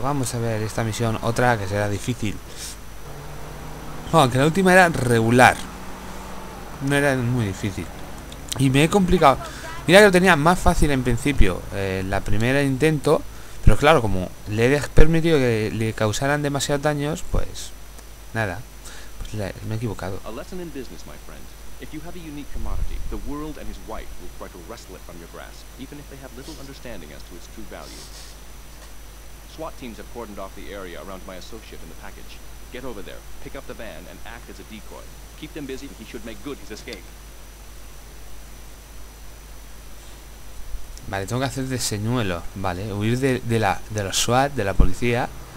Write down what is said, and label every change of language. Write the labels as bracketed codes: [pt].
[es] Vamos a ver esta misión. Otra que será difícil. Aunque la última era regular. No era muy difícil. Y me he complicado. Mira que lo tenía más fácil en principio. La primera intento. Pero claro, como le he permitido que le causaran demasiados daños, pues nada. Me he equivocado. [en] A lesson in business, my friend. If you have a unique commodity, the world and his wife will try to wrestle it from your grasp, even if they have little understanding as to its true value. SWAT teams have cordoned off the area around my associate and the package. Get over there, pick up the van and act as a decoy. Keep them busy, he should make good his escape. [es] Vale, tengo que hacer de señuelo, vale, huir de los SWAT, de la policía.